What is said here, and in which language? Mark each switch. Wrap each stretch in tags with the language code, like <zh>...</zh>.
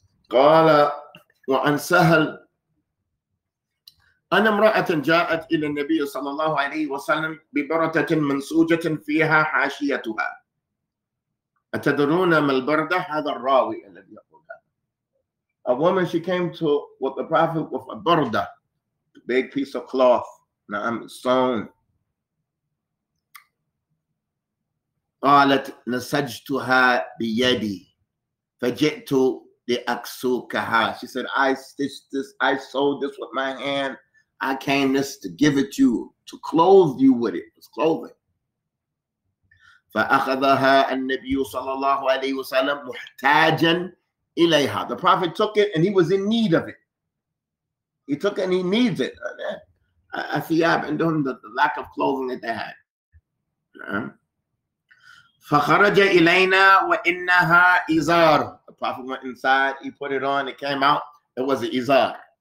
<ar>قال وعن سهل أن امرأة جاءت إلى النبي صلى الله عليه وسلم ببردة منسوجة فيها حاشيتها. أتدرون ما البردة؟ هذا الراوي الذي يقول هذا.</ar> <en>A woman, she came to with the prophet with a burda, a big piece of cloth,</en> <ar>نعم,</ar> <en>sewn.</en> <ar>قالت نسجتها بيدي فجئت لأكسوكها.</ar> <en>She said, I stitched this, I sewed this with my hand. I came this to give it to you, to clothe you with it. It's clothing.</en> <ar>فأخذها النبي صلى الله عليه وسلم محتاجا إليها.</ar> <en>The prophet took it and he was in need of it. He took it and he needs it.</en> <ar>أثياب عندهم</ar> <en>the lack of clothing that they had.</en> <ar>فخرج إلينا وإنها إزار.</ar> <en>The prophet went inside, he put it on, it came out. It was an إزار.</en>